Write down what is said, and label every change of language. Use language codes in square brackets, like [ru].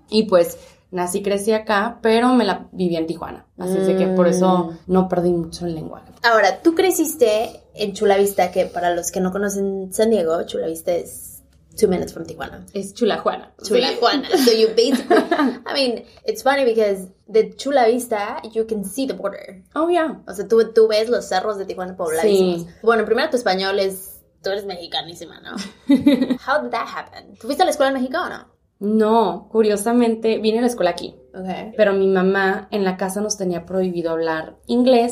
[es] Y pues, nací y crecí acá, pero me la viví en Tijuana. Así es que por eso no perdí mucho el lenguaje. Ahora, tú creciste en Chula Vista, que para los que no conocen San Diego, Chula Vista es [en] 2 minutes from Tijuana. [es] Es Chula Juana. Chula Juana. [en] So you basically, I mean, it's funny because the Chula Vista, you can see the border. Oh, yeah. [es] O sea, tú ves los cerros de Tijuana pobladísimos. Sí. Bueno, primero tu español es, tú eres mexicanísima, ¿no? [en] How did that happen? [es] ¿Tú fuiste a la escuela en México o no? No, curiosamente, vine a la escuela aquí. [en] Okay. [es] Pero mi mamá en la casa nos tenía prohibido hablar inglés.